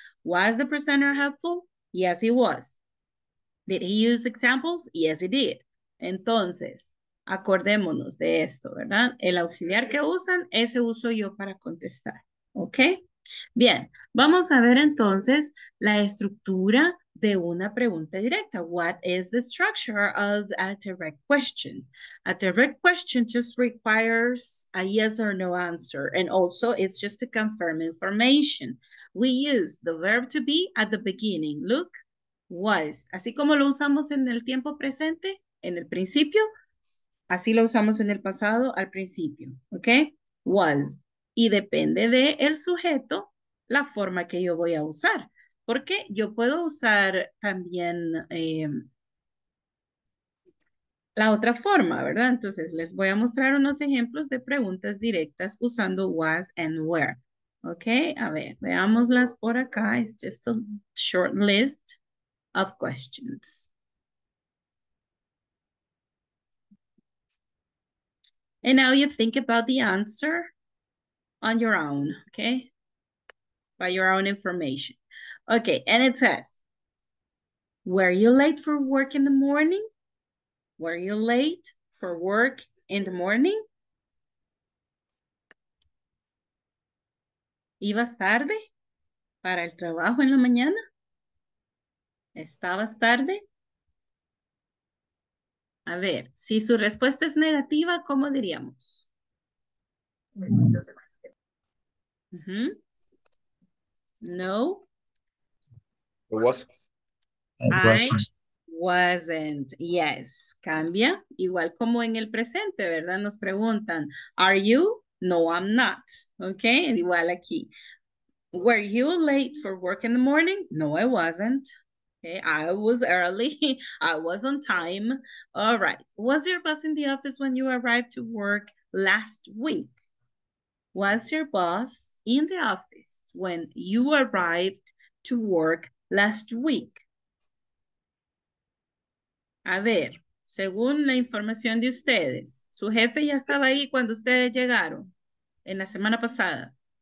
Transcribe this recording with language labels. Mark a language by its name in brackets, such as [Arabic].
[English] Was the presenter helpful? Yes, he was. Did he use examples? Yes, he did. [Spanish] Entonces, acordémonos de esto, ¿verdad? El auxiliar que usan, ese uso yo para contestar, ¿ok? Bien, vamos a ver entonces la estructura de una pregunta directa. [English] What is the structure of a direct question? A direct question just requires a yes or no answer. And also, it's just to confirm information. We use the verb to be at the beginning. Look, was. [Spanish] Así como lo usamos en el tiempo presente, en el principio, así lo usamos en el pasado, al principio. ¿Ok? Was. Y depende de el sujeto, la forma que yo voy a usar. Porque yo puedo usar también la otra forma, ¿verdad? Entonces, les voy a mostrar unos ejemplos de preguntas directas usando was and were. ¿Ok? A ver, veámoslas por acá. [English] It's just a short list of questions. And now you think about the answer on your own, okay? By your own information. Okay, and it says, were you late for work in the morning? Were you late for work in the morning? [Spanish] ¿Ibas tarde para el trabajo en la mañana? ¿Estabas tarde? A ver, si su respuesta es negativa, ¿cómo diríamos? [English] No. I wasn't. Yes. [Spanish] Cambia. Igual como en el presente, ¿verdad? Nos preguntan, [English] are you? No, I'm not. [Spanish] Okay. Igual aquí. [English] Were you late for work in the morning? No, I wasn't. Okay, I was early. I was on time. All right. Was your boss in the office when you arrived to work last week? Was your boss in the office when you arrived to work last week? [Spanish] A ver, según la información de ustedes, ¿su jefe ya estaba ahí cuando ustedes llegaron en la semana pasada?